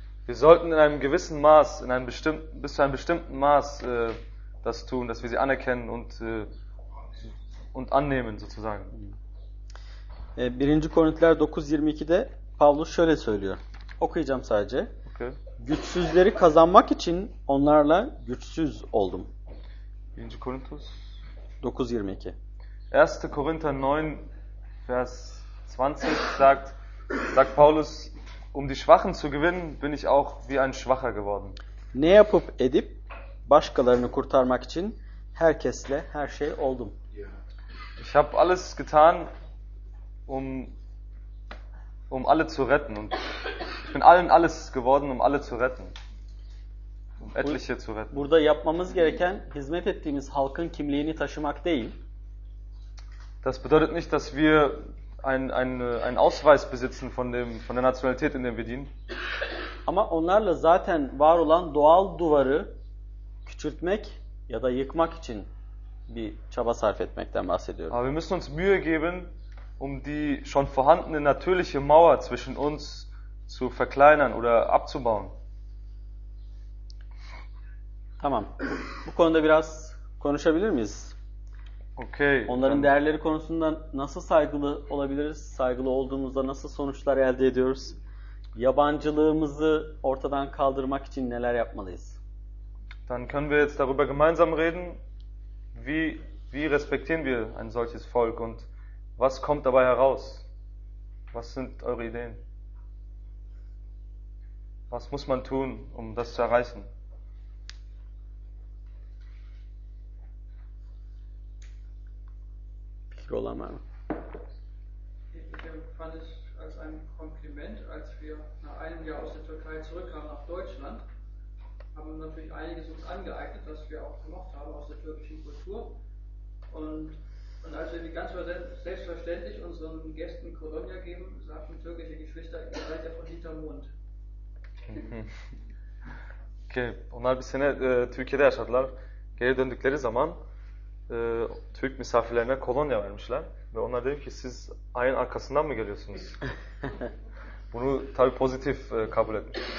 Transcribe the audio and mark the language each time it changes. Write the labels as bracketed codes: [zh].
[de] Wir sollten in einem gewissen Maß, in einem bestimmten, bis zu einem bestimmten Maß das tun, dass wir sie anerkennen und annehmen sozusagen. [tr] 1. Korintiler 9:22'de Paulus şöyle söylüyor. Okuyacağım sadece. Okay. Güçsüzleri kazanmak için onlarla güçsüz oldum. 1. Korintus 9:22. [de] 1. Korinther 9, Vers 20 sagt Paulus, um die Schwachen zu gewinnen, bin ich auch wie ein Schwacher geworden. [tr] Ne yapıp edip başkalarını kurtarmak için herkesle her şey oldum. [de] Ich habe alles getan, um alle zu retten. Und ich bin allen alles geworden, um alle zu retten. Um etliche zu retten. [tr] Burada yapmamız gereken hizmet ettiğimiz halkın kimliğini taşımak değil. [de] Das bedeutet nicht, dass wir einen Ausweis besitzen von der Nationalität, in der wir dienen. [tr] Ama onlarla zaten var olan doğal duvarı küçültmek ya da yıkmak için bir çaba sarf etmekten bahsediyorum. [de] Aber wir müssen uns Mühe geben, um die schon vorhandene natürliche Mauer zwischen uns zu verkleinern oder abzubauen. [tr] Tamam. Bu konuda biraz konuşabilir miyiz? Okay. Onların değerleri konusunda nasıl saygılı olabiliriz? Saygılı olduğumuzda nasıl sonuçlar elde ediyoruz? Yabancılığımızı ortadan kaldırmak için neler yapmalıyız? [de] Dann können wir jetzt darüber gemeinsam reden, wie respektieren wir ein solches Volk und was kommt dabei heraus? Was sind eure Ideen? Was muss man tun, um das zu erreichen? Rolama. Ich fand es als ein Kompliment, als wir nach einem Jahr aus der Türkei zurückkamen nach Deutschland, haben wir natürlich einiges uns angeeignet, was wir auch gemacht haben aus der türkischen Kultur. Und als wir ganz selbstverständlich unseren Gästen Kolonia geben, sagten türkische Geschwister, ihr seid ja von hinterm Mund. [en] Okay, [tr] onlar bir sene Türkiye'de yaşadılar. Geri döndükleri zaman Türk misafirlerine kolonya vermişler ve onlar dedi ki siz ayın arkasından mı geliyorsunuz? Bunu tabi pozitif kabul etmiş.